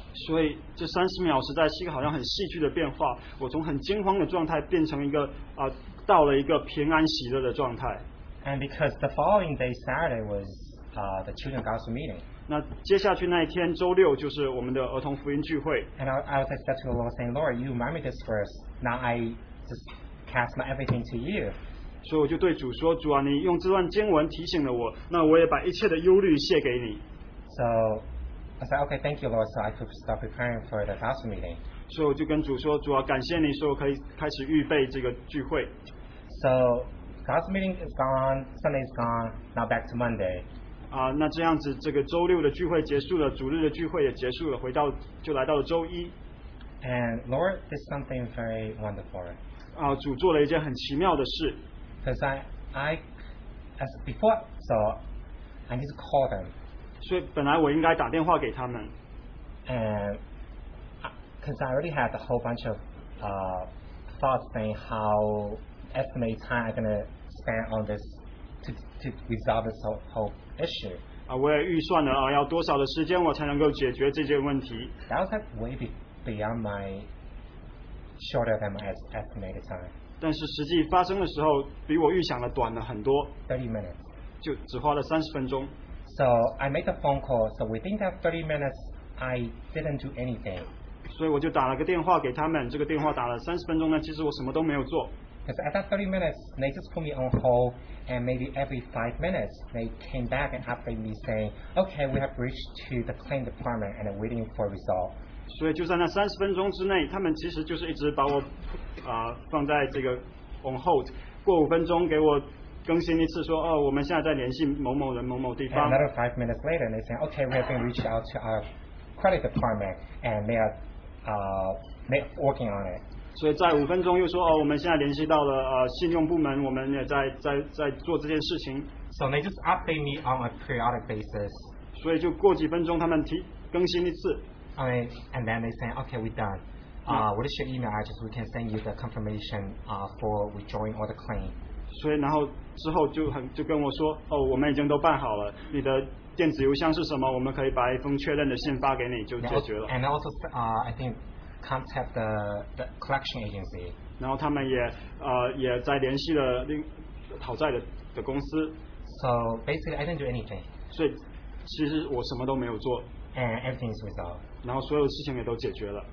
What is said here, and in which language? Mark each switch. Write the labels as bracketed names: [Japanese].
[Chinese] 所以这三十秒实在是一个好像很戏剧的变化，我从很惊慌的状态变成一个到了一个平安喜乐的状态。 [English] And because the following day, Saturday, was the Children of God's meeting. [Chinese] 那接下去那一天周六就是我们的儿童福音聚会。 [English] And I was like, to the Lord, saying, Lord, you remind me this verse. Now I just cast my everything to you. [Chinese] 所以我就对主说，主啊，你用这段经文提醒了我，那我也把一切的忧虑卸给你。 [English] So I said, okay, thank you, Lord. So I could start preparing for the gospel meeting. [Chinese] 所以我就跟主说，主啊，感谢你，所以我可以开始预备这个聚会。 [English] So gospel meeting is gone, Sunday is gone, now back to Monday. [Chinese] 那这样子，这个周六的聚会结束了，主日的聚会也结束了，就来到了周一。 [English] And Lord did something very wonderful. [Chinese] 主做了一件很奇妙的事。 [English] Because I as before, so I need to call them. [Chinese] 所以本来我应该打电话给他们。 [English] Because I already had a whole bunch of thoughts saying how estimated time I'm going to spend on this to resolve this whole issue. [Chinese] 我也预算了要多少的时间我才能够解决这些问题。 [English] That was like way beyond my shorter than my estimated time. [Chinese] 但是实际发生的时候比我预想的短了很多 [English] 30 minutes [Chinese] 就只花了30分钟 [English] So I made a phone call So within that 30 minutes I didn't do anything [Chinese] 所以我就打了个电话给他们这个电话打了30分钟呢其实我什么都没有做 [English] Because at that 30 minutes they just put me on hold And maybe every 5 minutes they came back and updated me saying Okay we have reached to the claim department and are waiting for a result [Chinese] 所以就在那三十分钟之内，他们其实就是一直把我，放在这个 [English] on hold。 [Chinese] 过五分钟给我更新一次说，说哦，我们现在在联系某某人某某地方。 [English] And another 5 minutes later, they say, "Okay, we have been reached out to our credit department, and they are working on it." [Chinese] 所以在五分钟又说哦，我们现在联系到了信用部门，我们也在做这件事情。 [English] So they just update me on a periodic basis. [Chinese] 所以就过几分钟，他们更新一次。 [English] And then they say, okay, we're done. What is your email address? We can send you the confirmation for withdrawing all the claim. [Chinese] 所以然后之后就跟我说，哦，我们已经都办好了。你的电子邮箱是什么？我们可以把一封确认的信发给你，就解决了。 [English] And also, I think contact the collection agency. [Chinese] 然后他们也在联系了另讨债的公司。 [English] So basically, I didn't do anything. [Chinese] 所以其实我什么都没有做。 [English] And everything is resolved. [Chinese] 然后所有事情也都解决了。